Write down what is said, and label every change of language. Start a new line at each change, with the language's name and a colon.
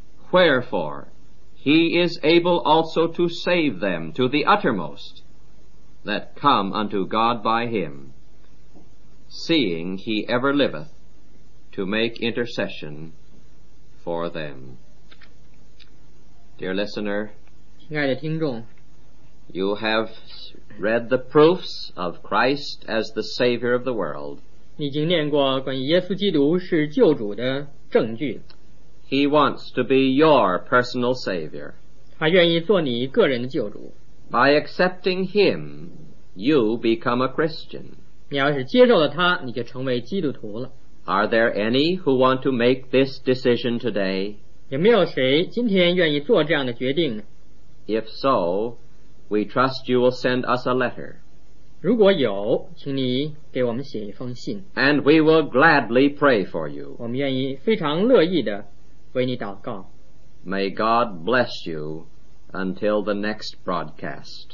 English: Wherefore, he is able also to save them to the uttermost that come unto God by him, seeing he ever liveth to make intercession for them. Dear listener,
Chinese: 亲爱的听众,
English: you have read the proofs of Christ as the Savior of the world.
Chinese: 你已经念过关于耶稣基督是救主的证据。
English: He wants to be your personal Savior.
Chinese: 他愿意做你个人的救主。
English: By accepting him, you become a Christian.
Chinese: 你要是接受了他, 你就成为基督徒了。
English: Are there any who want to make this decision today?
Chinese: 有没有谁今天愿意做这样的决定呢?
English: If so, we trust you will send us a letter.
Chinese: 如果有,请你给我们写一封信。
English: And we will gladly pray for you.
Chinese: 我们愿意非常乐意地为你祷告。
English: May God bless you until the next broadcast.